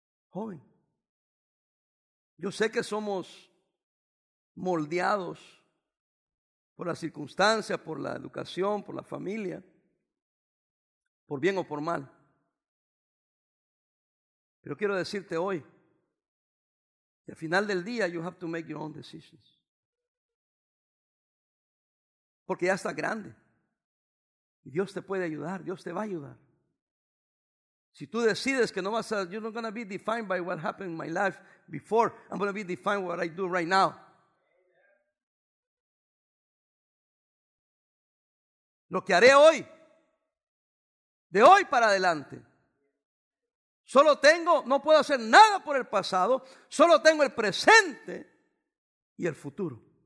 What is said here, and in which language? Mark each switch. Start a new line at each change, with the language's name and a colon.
Spanish: Joven, yo sé que somos moldeados por las circunstancias, por la educación, por la familia, por bien o por mal. Pero quiero decirte hoy, que al final del día,
English: you have to make your own decisions.
Spanish: Porque ya estás grande. Y Dios te puede ayudar, Dios te va a ayudar. Si tú decides que no vas a,
English: you're not going to be defined by what happened in my life before, I'm going to be defined by what I do right now.
Spanish: Lo que haré hoy, de hoy para adelante. Solo tengo, no puedo hacer nada por el pasado, solo tengo el presente y el futuro.